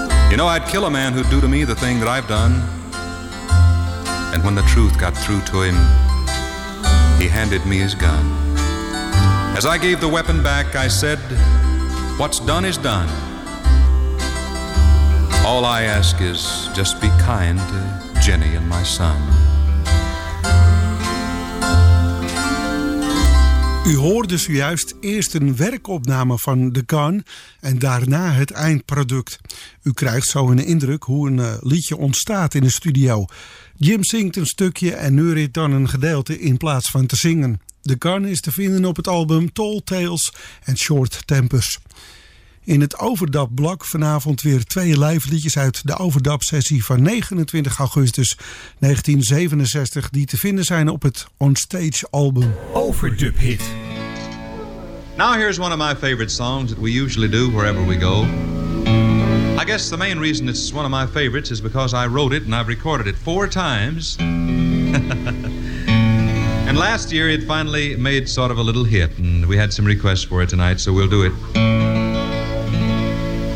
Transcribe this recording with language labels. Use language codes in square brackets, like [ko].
[en] You know, I'd kill a man who'd do to me the thing that I've done. And when the truth got through to him, he handed me his gun. As I gave the weapon back, I said, what's done is done. All I ask is just be kind to Jenny and my son. [nl] U hoorde zojuist eerst een werkopname van The Gun en daarna het eindproduct. U krijgt zo een indruk hoe een liedje ontstaat in de studio. Jim zingt een stukje en Neurit dan een gedeelte in plaats van te zingen. The Gun is te vinden op het album Tall Tales en Short Tempers. In het overdubblok vanavond weer twee live liedjes uit de overdubsessie van 29 augustus 1967 die te vinden zijn op het onstage album Overdub Hit. [en] Now here's one of my favorite songs that we usually do wherever we go. I guess the main reason it's one of my favorites is because I wrote it and I've recorded it four times. And last year it finally made sort of a little hit and we had some requests for it tonight, so we'll do it.